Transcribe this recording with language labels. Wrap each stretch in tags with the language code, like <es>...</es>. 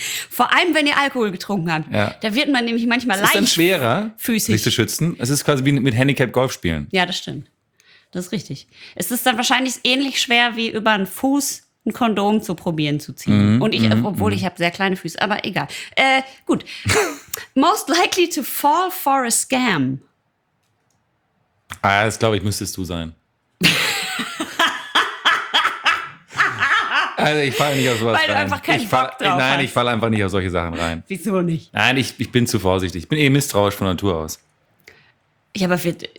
<de>Vor allem, wenn ihr Alkohol getrunken habt. Ja. Da wird man nämlich manchmal leicht. Ist dann schwerer, füßig. Sich zu schützen. Es ist quasi wie mit Handicap Golf spielen. Ja, das stimmt. Das ist richtig. Es ist dann wahrscheinlich ähnlich schwer, wie über einen Fuß ein Kondom zu probieren zu ziehen. Mhm. Und ich, obwohl ich habe sehr kleine Füße, aber egal. Gut.</de> <en>Most likely to fall for a scam.</en> <de>Ah, das glaube ich, müsstest du sein. Also ich falle nicht auf sowas rein. Weil du rein. Einfach keinen Bock drauf hast. Nein, ich falle einfach nicht auf solche Sachen rein. Wieso nicht? Nein, ich bin zu vorsichtig. Ich bin eh misstrauisch von Natur aus. Ja, aber wir,</de>